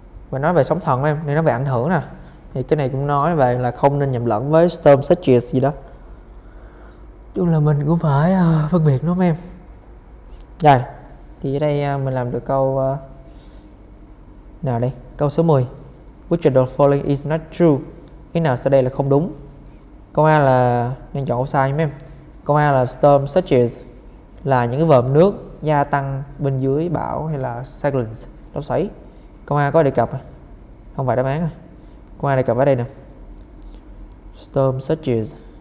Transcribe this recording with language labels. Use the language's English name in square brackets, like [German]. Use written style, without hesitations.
[Vietnamese] Và nói về sóng thần mấy em, nên nói về ảnh hưởng nè. Thì cái này cũng nói về là không nên nhầm lẫn với storm surges gì đó. Chung là mình cũng phải phân biệt nó mấy em. Rồi, thì ở đây mình làm được câu nào đây? Câu số 10. [English] Which of the following is not true? [Vietnamese] Cái nào sau đây là không đúng? Câu A là nên chọn câu sai mấy em. Câu A là storm surges là những cái vòm nước gia tăng bên dưới bão hay là cyclones, lốc xoáy. Câu A có đề cập, không phải đáp án rồi. Câu A đề cập ở đây nè. Storm surges.